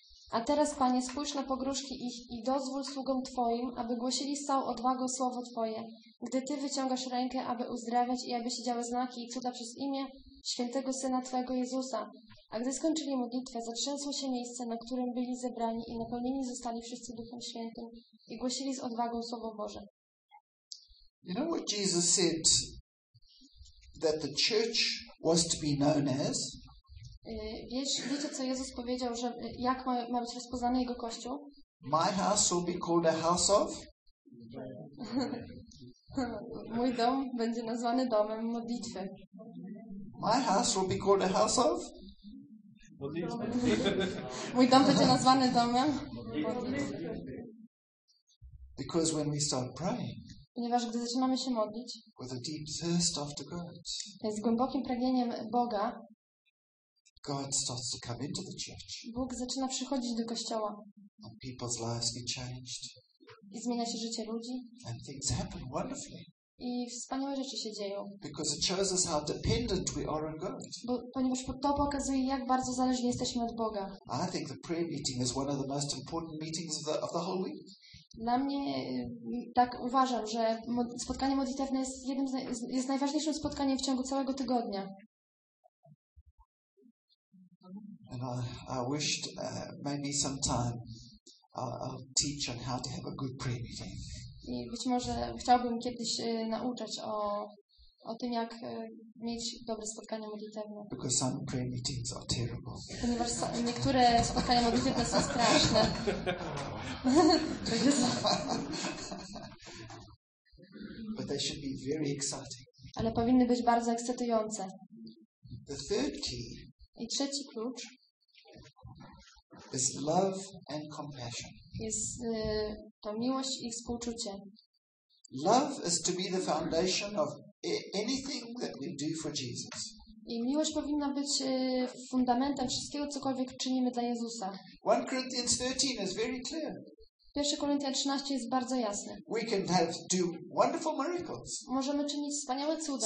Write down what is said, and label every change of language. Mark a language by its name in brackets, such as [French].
[Polish] A teraz, Panie, spójrz na pogróżki ich i dozwól sługom Twoim, aby głosili z całą odwagą słowo Twoje, gdy Ty wyciągasz rękę, aby uzdrawiać i aby się działy znaki i cuda przez imię świętego Syna Twojego Jezusa. A gdy skończyli modlitwę, zatrzęsło się miejsce, na którym byli zebrani i napełnieni zostali wszyscy Duchem Świętym i głosili z odwagą Słowo Boże. [English] You know what Jesus said that the church was to be known as? [Polish] Wiecie, co Jezus powiedział, że jak ma być rozpoznany Jego Kościół? [English] My house will be called a house of? [Polish] Mój dom będzie nazwany domem modlitwy. [English] My house will be called a house of? [Polish] Mój dom będzie nazwany domem modlitwy. [English] Because when we start praying, [Polish] ponieważ gdy zaczynamy się modlić, [English] with a deep thirst after God, [Polish] z głębokim pragnieniem Boga, [English] God starts to come into the church. [Polish] Bóg zaczyna przychodzić do kościoła. [English] And people's lives get changed. [Polish] I zmienia się życie ludzi. [English] And things happen wonderfully. [Polish] I wspaniałe rzeczy się dzieją. [English] Because it shows us how dependent we are on God. [Polish] Bo ponieważ to pokazuje, jak bardzo zależni jesteśmy od Boga. [English] I think the prayer meeting is one of the most important meetings of the whole week. [Polish] Dla mnie tak uważam, że spotkanie modlitewne jest jest najważniejszym spotkaniem w ciągu całego tygodnia. [English] And I wished maybe sometime I'll teach on how to have a good prayer meeting. [Polish] I być może chciałbym kiedyś nauczać o tym, jak mieć dobre spotkania modlitewne. [English] Because some prayer meetings are terrible. [Polish] Ponieważ niektóre spotkania modlitewne są straszne. [English] But they should be very exciting. [Polish] Ale powinny być bardzo ekscytujące. [English] The third key. [Polish] I trzeci klucz. [English] Is love and compassion. [Polish] Jest to miłość i współczucie. [English] Love is to be the foundation of anything that we do for Jesus. [Polish] I miłość powinna być fundamentem wszystkiego, cokolwiek czynimy dla Jezusa. [English] 1 Corinthians 13 is very clear. [Polish] 1 Koryntian 13 jest bardzo jasny. [English] We can have, do wonderful miracles. [Polish] Możemy czynić wspaniałe cuda.